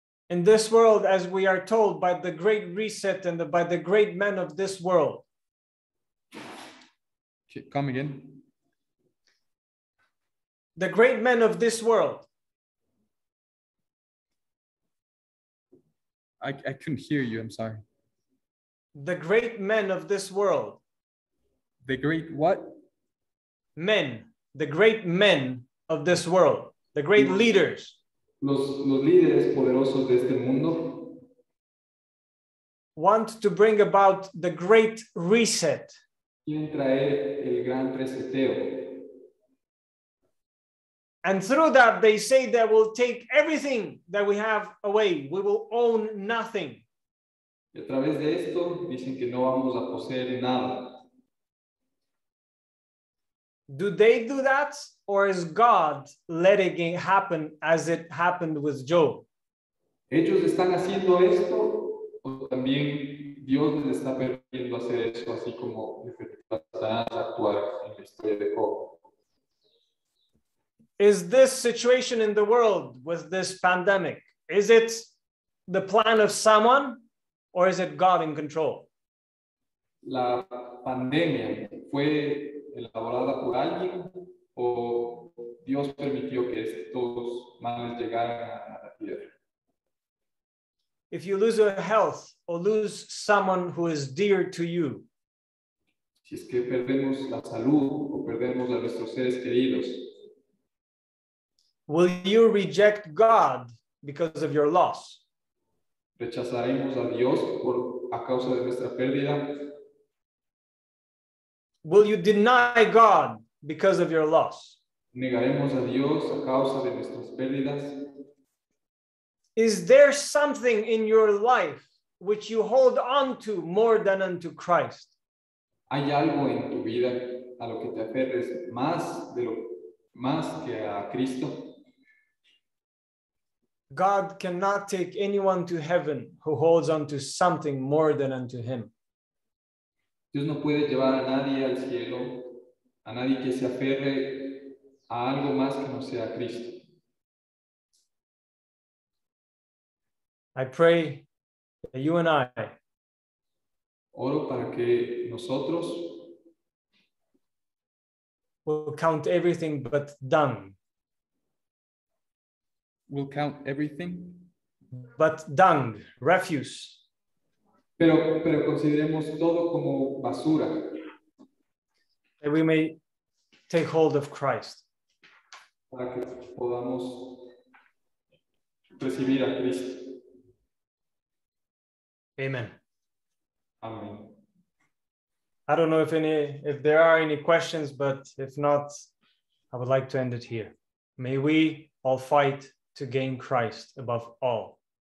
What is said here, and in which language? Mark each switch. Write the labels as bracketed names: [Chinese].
[English] In this world, as we are told by the great reset and by the great men of this world. Okay, come again. The great men of this world. I couldn't hear you, I'm sorry. The great men of this world. The great what? Men, the great men of this world, the great leaders. [Spanish] Los líderes poderosos de este mundo [English] want to bring about the great reset. [Spanish] Quieren traer el gran reseteo. [English] And through that, they say that we'll take everything that we have away. We will own nothing. [Spanish] Y a través de esto, dicen que no vamos a poseer nada. [English] Do they do that? Or is God letting it happen as it happened with Job? [Spanish] ¿Ellos están haciendo esto? ¿O también Dios les está permitiendo hacer eso así como actuar en la historia de Job? [English] Is this situation in the world with this pandemic, is it the plan of someone or is it God in control? [Spanish] ¿La pandemia fue elaborada por alguien? ¿O Dios permitió que estos males llegaran a la tierra? [English] If you lose your health or lose someone who is dear to you, [Spanish] si es que perdemos la salud o perdemos a nuestros seres queridos, [English] will you reject God because of your loss? [Spanish] ¿Rechazaremos a Dios por a causa de nuestra pérdida? [English] Will you deny God because of your loss? [Spanish] ¿Negaremos a Dios a causa de nuestras pérdidas? [English] Is there something in your life which you hold on to more than unto Christ? [Spanish] ¿Hay algo en tu vida a lo que te aferres más de lo más que a Cristo? [English] God cannot take anyone to heaven who holds on to something more than unto him. [Spanish] Dios no puede llevar a nadie al cielo, a nadie que se aferre a algo más que no sea Cristo. [English] I pray that you and I [Spanish] oro para que nosotros [English] will count everything but dung. Will count everything but dung, refuse. [Spanish] Pero consideremos todo como basura. [English] That we may take hold of Christ. [Spanish] Para que podamos recibir a Cristo. [English] Amen. [Spanish] Amen. [English] I don't know if there are any questions, but if not, I would like to end it here. May we all fight to gain Christ above all.